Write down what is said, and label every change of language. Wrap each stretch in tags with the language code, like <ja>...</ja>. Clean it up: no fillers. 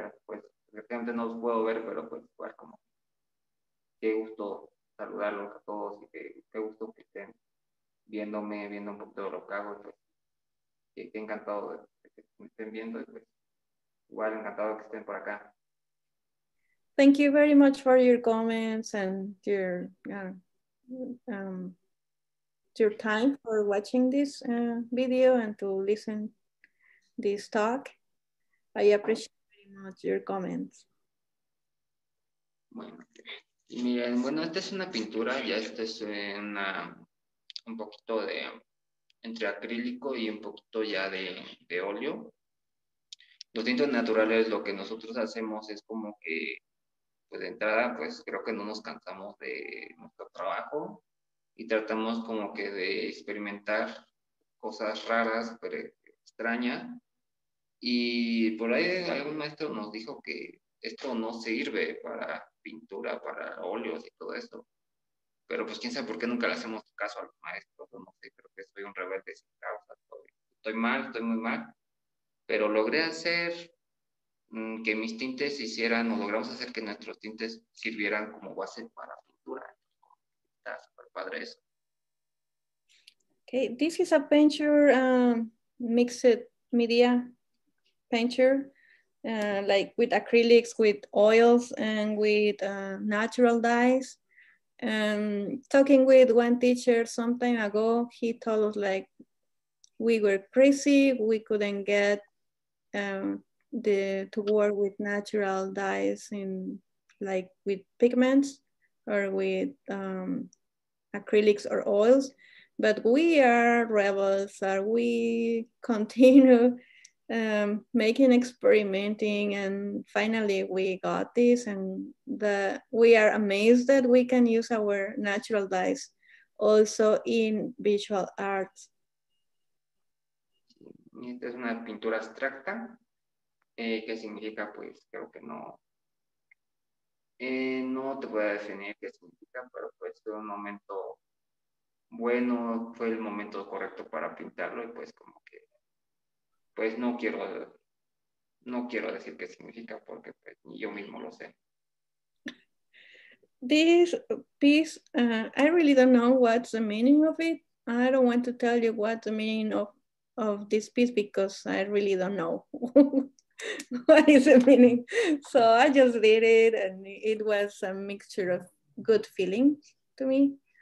<es>Pues, efectivamente no os puedo ver, pero pues igual como qué gusto saludarlos a todos y qué gusto que estén viéndome, viendo un poquito de lo que hago. Pues, qué encantado de que me estén viendo, y pues, igual encantado que estén por acá.</es> <en>Thank you very much for your comments and your your time for watching this video and to listen this talk. I appreciate very much your comments.</en> <es>Bueno, miren, bueno, esta es una pintura, ya esta es una, un poquito de entre acrílico y un poquito ya de óleo. Los tintes naturales, lo que nosotros hacemos es como que, pues de entrada, pues creo que no nos cansamos de nuestro trabajo. Y tratamos como que de experimentar cosas raras, pero extrañas. Y por ahí algún maestro nos dijo que esto no sirve para pintura, para óleos y todo eso. Pero pues quién sabe por qué nunca le hacemos caso a los maestros. No sé, creo que soy un rebelde sin causa. Estoy muy mal. Pero logré hacer que mis tintes hicieran, o logramos hacer que nuestros tintes sirvieran como base para pintura. Está súper padre eso.</es> <en>Okay, this is a painter mixed media painter, like with acrylics, with oils, and with natural dyes. Talking with one teacher some time ago, he told us like we were crazy, we couldn't get to work with natural dyes in like with pigments or with acrylics or oils. But we are rebels, or we continue making, experimenting, and finally we got this, and we are amazed that we can use our natural dyes also in visual arts.</en> <es>Esta es una pintura abstracta, que significa, pues, creo que no, no te voy a definir qué significa, pero pues fue un momento bueno, fue el momento correcto para pintarlo, y pues como que, pues no quiero decir qué significa, porque pues, ni yo mismo lo sé.</es> <en>This piece, I really don't know what's the meaning of it. I don't want to tell you what the meaning of this piece, because I really don't know what is the meaning. So I just did it, and it was a mixture of good feelings to me.</en>